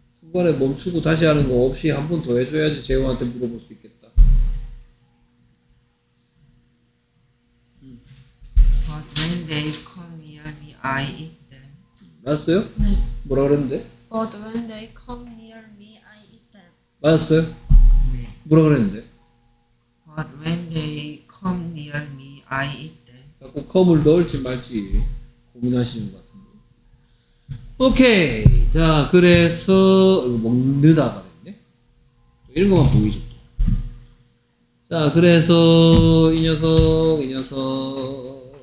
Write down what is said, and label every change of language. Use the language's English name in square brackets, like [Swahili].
[Korean] 후반에 멈추고 다시 하는 거 없이 한 번 더 해줘야지 재우한테 물어볼 수 있겠다. [English] But when they come near me, I eat them. [Korean] 맞았어요? 네. 뭐라 그랬는데? [English] But when they come near me, I eat them. [Korean] 맞았어요? 네. 뭐라 그랬는데? [English] But when they come near me, I eat them. [Korean] 자꾸 come을 넣을지 말지 고민하시는 것 같은데. 오케이. 자, 그래서 이거 먹는다가 그랬네. 이런 것만 보이죠. 자, 그래서 이 녀석, 이 녀석.